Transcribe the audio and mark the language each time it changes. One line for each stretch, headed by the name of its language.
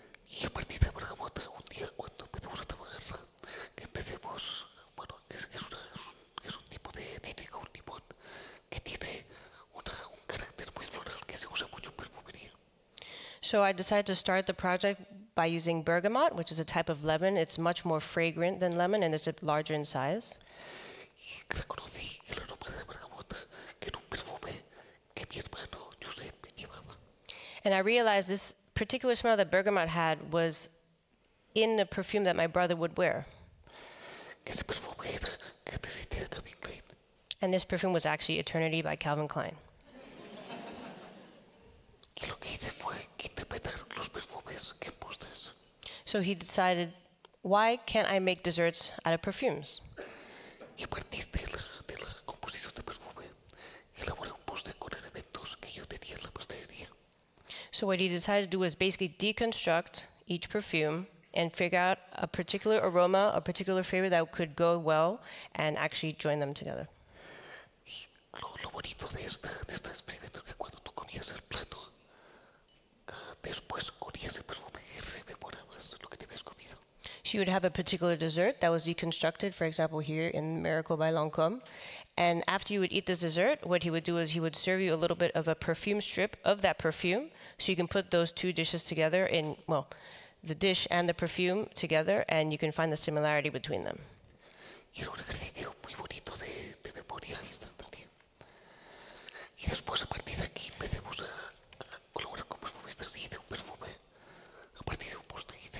English: So I decided to start the project by using bergamot, which is a type of lemon. It's much more fragrant than lemon and it's larger in size.
Spanish: Reconocí el aroma de bergamota en un perfume que mi hermano Giuseppe llevaba.
English: And I realized this particular smell that bergamot had was in a perfume that my brother would wear.
Spanish: Ese perfume era Eternity de Calvin Klein.
English: And this perfume was actually Eternity by Calvin Klein.
Spanish: Y lo que hice fue que interpretar los perfumes en postres.
English: So he decided, why can't I make desserts out of perfumes?
Spanish: Y a partir de la composición de perfume, elaboré un postre con elementos que yo tenía en la pastelería.
English: So what he decided to do was basically deconstruct each perfume and figure out a particular aroma, a particular flavor that could go well and actually join them together.
Spanish: Y lo bonito de este experimento es que cuando tú comías el plato, después olías el perfume y rememorabas lo que te habías comido.
English: So you would have a particular dessert that was deconstructed, for example, here in Miracle by Lancôme. And after you would eat this dessert, what he would do is he would serve you a little bit of a perfume strip of that perfume, so you can put those two dishes together in, well, the dish and the perfume together, and you can find the similarity between them.
Spanish: Y era un ejercicio muy bonito de memoria instantánea. Y después, a partir de aquí, empecemos a colaborar con perfumistas y de un perfume, a partir de un postre.